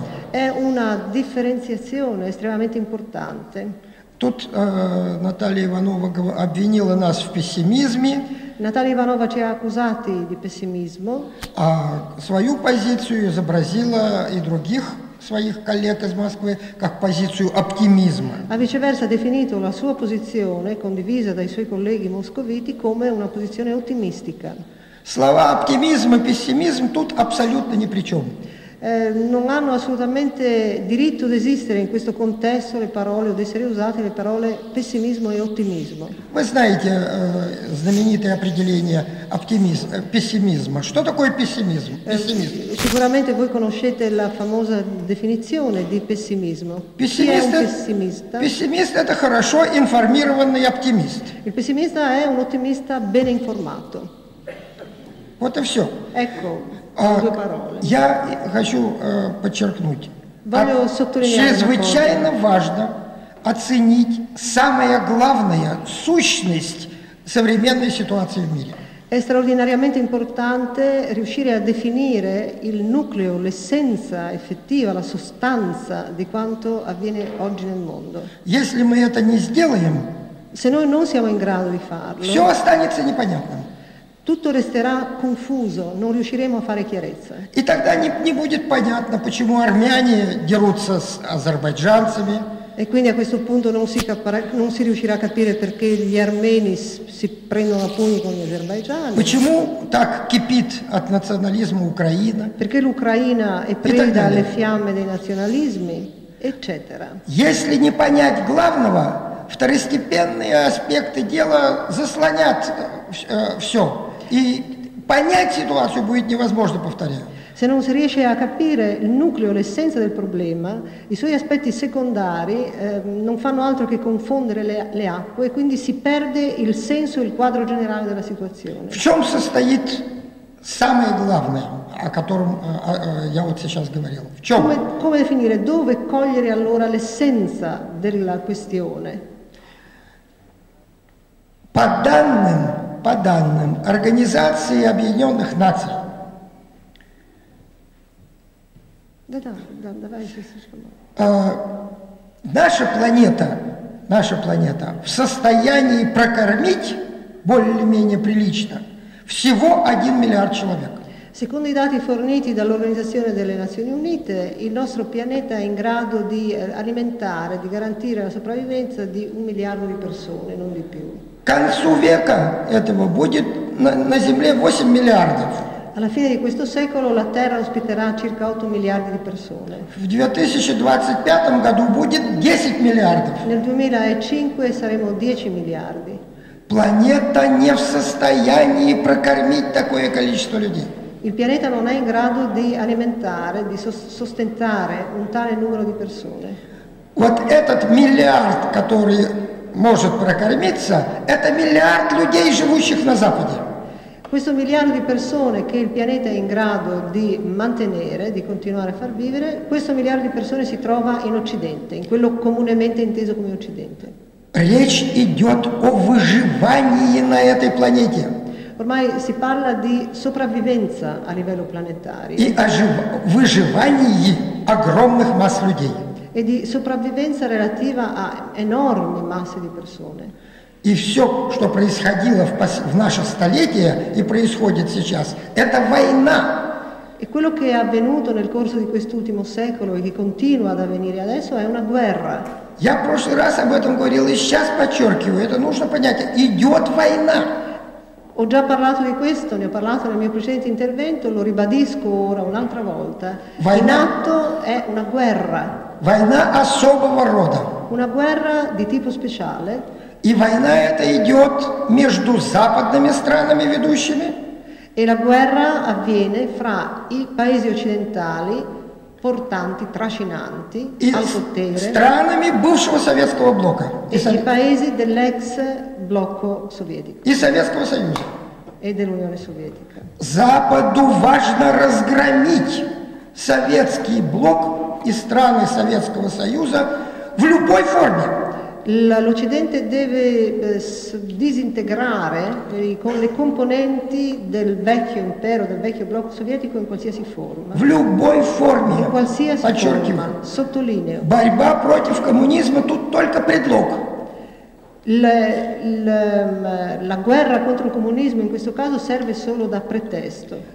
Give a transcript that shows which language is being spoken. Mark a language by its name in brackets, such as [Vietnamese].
[Italian] È una differenziazione estremamente importante. [Russian] Тут Наталья Иванова обвинила нас в пессимизме. [Italian] Наталья Иванова ci ha accusati di pessimismo. [Russian] А свою позицию изобразила и других своих коллег из Москвы как позицию оптимизма. [Italian] А viceversa ha definito la sua posizione condivisa dai suoi colleghi moscoviti come una posizione ottimistica. [Russian] Слова оптимизм и пессимизм тут абсолютно ни при чем. [Italian] Non hanno assolutamente diritto di esistere in questo contesto le parole o di essere usate le parole pessimismo e ottimismo. Voi [Russian] знаете знаменитое определение пессимизма. Что такое пессимизм? [Italian] Sicuramente voi conoscete la famosa definizione di pessimismo. Pessimista [Russian] это хорошо информированный оптимист. [Italian] Il pessimista è un ottimista ben informato. [Russian] Вот и все. [Italian] Ecco. [Russian] Я хочу подчеркнуть, чрезвычайно важно оценить самое главное, сущность современной ситуации в мире. [Italian] È straordinariamente importante riuscire a definire il nucleo, l'essenza effettiva, la sostanza di quanto avviene oggi nel mondo. [Russian] Если мы это не сделаем, [Italian] se noi non siamo in grado di farlo, [Russian] все останется непонятным. [Italian] Tutto resterà confuso, non riusciremo a fare chiarezza. [Russian] И тогда не будет понятно, почему армяне дерутся с азербайджанцами. [Italian] E quindi a questo punto non si riuscirà a capire perché gli armeni si prendono a pugni con gli azerbaigiani. [Russian] Почему так кипит от национализма Украина? [Italian] Perché l'Ucraina è presa alle fiamme dei nazionalismi, eccetera. [Russian] Если не понять главного, второстепенные аспекты дела заслонят все. И понять ситуацию будет невозможно, повторяю. [Italian] Se non si riesce a capire il nucleo, l'essenza del problema, i suoi aspetti secondari non fanno altro che confondere le acque e quindi si perde il senso, il quadro generale della situazione. [Russian] В чем состоит самое главное, о котором я вот сейчас говорил? В чем? [Italian] Come definire, dove cogliere allora l'essenza della questione? [Russian] По данным Организации Объединенных Наций. Да, давай еще слишком много. Наша планета в состоянии прокормить более-менее прилично всего 1 миллиард человек. [Italian] Secondo i dati forniti dall'Organizzazione delle Nazioni Unite, il nostro pianeta è in grado di alimentare, di garantire la sopravvivenza di 1 miliardo di persone, non di più. [Russian] К концу века этого будет на Земле 8 миллиардов. [Italian] Alla fine di questo secolo la Terra ospiterà circa 8 miliardi di persone. [Russian] В 2025 году будет 10 миллиардов. [Italian] Nel 2005 saremo 10 miliardi. [Russian] Планета не в состоянии прокормить такое количество людей. [Italian] Il pianeta non è in grado di alimentare, di sostentare un tale numero di persone. [Russian] Вот этот миллиард, который может прокормиться, это миллиард людей, живущих на Западе. [Italian] Questo miliardo di persone che il pianeta è in grado di mantenere, di continuare a far vivere, questo miliardo di persone si trova in Occidente, in quello comunemente inteso come Occidente. [Russian] Речь идет о выживании на этой планете. [Italian] Ormai si parla di sopravvivenza a livello planetario. [Russian] И о выживании огромных масс людей. [Italian] E di sopravvivenza relativa a enormi masse di persone. [Russian] И все, что происходило в наше столетие и происходит сейчас, это война. [Italian] E quello che è avvenuto nel corso di quest'ultimo secolo e che continua ad avvenire adesso è una guerra. [Russian] Я в прошлый раз об этом говорил и сейчас подчеркиваю, это нужно понять, идет война. [Italian] Ho già parlato di questo, ne ho parlato nel mio precedente intervento, lo ribadisco ora un'altra volta. [Russian] Война. [Italian] In atto è una guerra. [Russian] Война особого рода. [Italian] Una guerra di tipo speciale. [Russian] И война эта идет между западными странами ведущими. [Italian] E la guerra avviene fra i paesi occidentali portanti, trascinanti al potere. [Russian] Странами бывшего советского блока. [Italian] И paesi dell'ex blocco sovietico. [Russian] И Советского Союза. [Italian] E dell'Unione Sovietica. [Russian] Западу важно разгромить советский блок и страны Советского Союза в любой форме. [Italian] L'Occidente deve disintegrare le componenti del vecchio impero, del vecchio blocco sovietico in qualsiasi forma. [Russian] В любой форме. [Italian] In qualsiasi forma. Sottolineo. [Russian] Борьба против коммунизма тут только предлог. [Italian] La guerra contro il comunismo in questo caso serve solo da pretesto.